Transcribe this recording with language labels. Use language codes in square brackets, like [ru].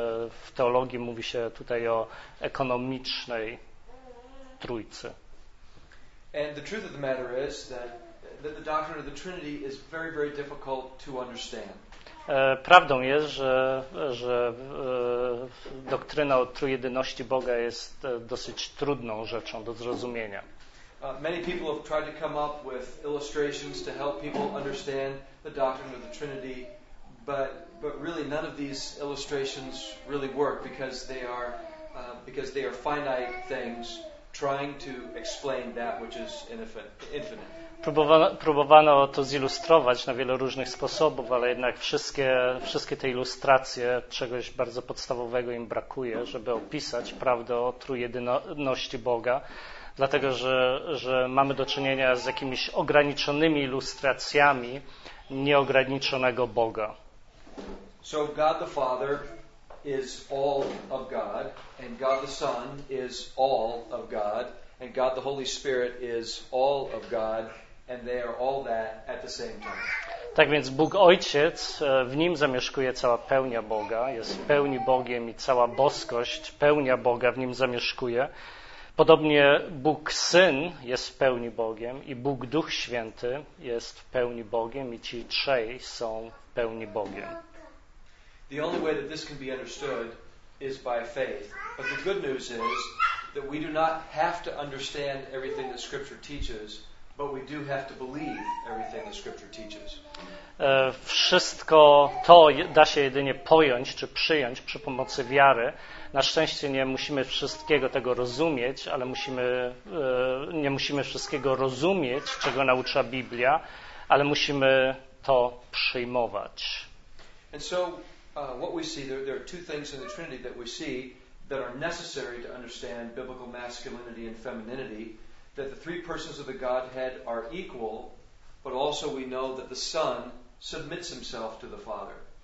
[pl] W teologii mówi się tutaj o ekonomicznej Trójcy. [en] And the truth of the matter is that the doctrine of the Trinity is very, very difficult to understand. [pl] Prawdą jest, że doktryna o trójjedyności Boga jest dosyć trudną rzeczą do zrozumienia. [en] Many people have tried to come up with illustrations to help people understand the doctrine of the Trinity, but really none of these illustrations really work because they are finite things trying to explain that which is infinite. [pl] Próbowano to zilustrować na wiele różnych sposobów, ale jednak wszystkie te ilustracje, czegoś bardzo podstawowego im brakuje, żeby opisać prawdę o trójjedyności Boga, dlatego że mamy do czynienia z jakimiś ograniczonymi ilustracjami nieograniczonego Boga. [en] So God the Father is all of God, and God the Son is all of God, and God the Holy Spirit is all of God. And they are all that at the same time. [pl] Tak więc Bóg Ojciec, w Nim zamieszkuje cała pełnia Boga, jest w pełni Bogiem i cała boskość, pełnia Boga w Nim zamieszkuje. Podobnie Bóg Syn jest w pełni Bogiem i Bóg Duch Święty jest w pełni Bogiem i ci trzej są w pełni Bogiem. [en] The only way that this can be understood is by faith. But the good news is that we do not have to understand everything that Scripture teaches. But we do have to believe everything the Scripture teaches. [pl] Wszystko to da się jedynie pojąć czy przyjąć przy pomocy wiary. Na szczęście nie musimy wszystkiego tego rozumieć, ale nie musimy wszystkiego rozumieć, czego naucza Biblia, ale musimy to przyjmować. [en] And so what we see, there are two things in the Trinity that we see that are necessary to understand biblical masculinity and femininity. That the three persons of the Godhead are equal, but also we know that the Son submits himself to the Father.